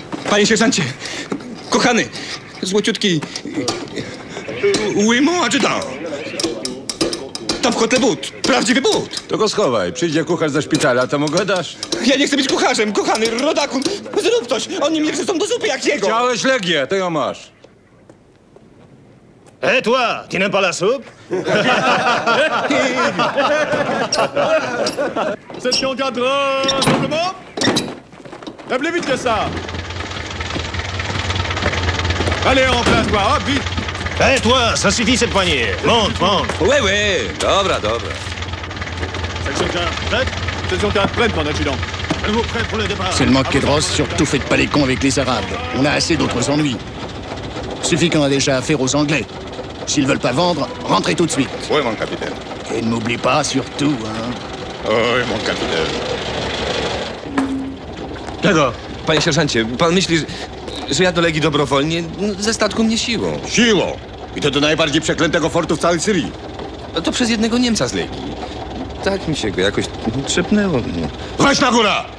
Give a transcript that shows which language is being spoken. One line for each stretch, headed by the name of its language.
Polish: Panie sierżancie, kochany, złociutki,
French: oui, mon adjudant.
Polish: Tam w kotle but, prawdziwy but. To go schowaj, przyjdzie kucharz ze szpitala, to mu go dasz. Ja nie chcę być kucharzem, kochany, rodaku, zrób coś, oni mnie wrzucą do zupy jak jego. Chciałeś legię, to ją masz.
French: Et toi, tu n'aimes pas la soupe? C'est ton cadran, simplement. Et plus vite que ça. Allez, en place, toi, hop, vite. Hé, hey, toi, ça suffit, cette poignée. Monte, monte. Oui, oui,
Polish: dobra, dobra.
French: Section 1, prête. Section 1, prête, mon adjudant. Êtes-vous prêt pour le départ? Seulement, Kedros, surtout, faites pas les cons avec les Arabes. On a assez d'autres ennuis. Suffit qu'on a déjà affaire aux Anglais. S'ils veulent pas vendre, rentrez tout de suite. Oui, mon capitaine. Et ne m'oublie pas, surtout, hein. Oui, mon capitaine.
Polish: Kiedro, panie sierżancie, pan myśli, że ja do Legii dobrowolnie, ze statku mnie siłą. Siłą? I to do najbardziej przeklętego fortu w całej Syrii. No to przez jednego Niemca z Legii. Tak mi się go jakoś trzepnęło. Weź na górę!